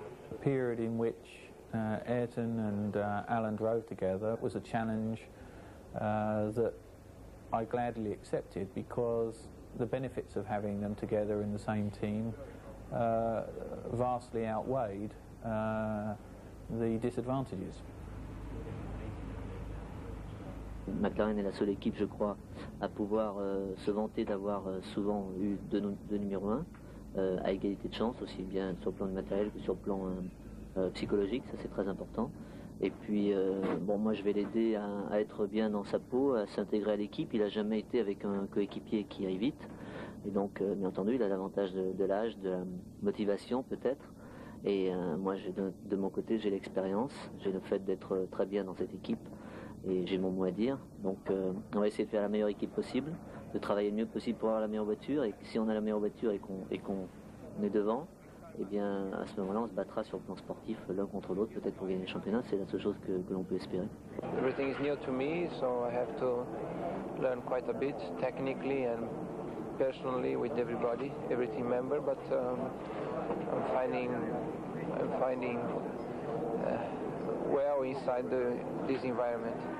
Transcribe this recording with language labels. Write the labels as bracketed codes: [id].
[en] The period in which Ayrton and Alan drove together was a challenge that I gladly accepted, because the benefits of having them together in the same team vastly outweighed the disadvantages. [fr] McLaren est la seule équipe, je crois, à pouvoir se vanter d'avoir souvent eu deux numéros 1 à égalité de chance, aussi bien sur le plan du matériel que sur le plan psychologique, ça c'est très important. Et puis, moi je vais l'aider à être bien dans sa peau, à s'intégrer à l'équipe. Il n'a jamais été avec un coéquipier qui aille vite. Et donc, bien entendu, il a l'avantage de l'âge, de la motivation peut-être. Et moi, de mon côté, j'ai l'expérience, j'ai le fait d'être très bien dans cette équipe. Et j'ai mon mot à dire, donc on va essayer de faire la meilleure équipe possible, de travailler le mieux possible pour avoir la meilleure voiture, et si on a la meilleure voiture et qu'on est devant, et bien à ce moment-là on se battra sur le plan sportif l'un contre l'autre, peut-être pour gagner le championnat, c'est la seule chose que l'on peut espérer. [en] Everything is new to me, so I have to learn quite a bit technically and personally with everybody, every team member, but I'm finding well inside this environment.